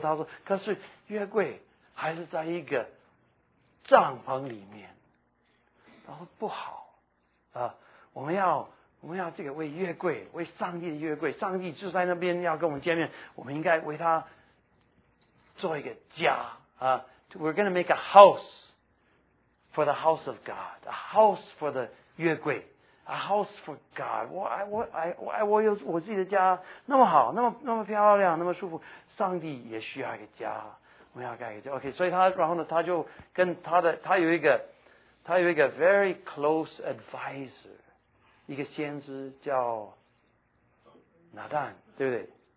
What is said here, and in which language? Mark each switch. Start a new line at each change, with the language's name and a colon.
Chinese: 他说可是约柜还是在一个帐篷里面，然后不好啊，我们要这个为约柜，为上帝的约柜，上帝就在那边要跟我们见面，我们应该为他做一个家啊。
English: We're going to make a house for the house of God, a house for the 约柜 a house for God.
Chinese: 我自己的家那么好，那么漂亮，那么舒服，上帝也需要一个家，我们要盖一个家。 OK, 所以他就跟他有一个
English: very close advisor。
Chinese: 一个先知叫拿但，对不对？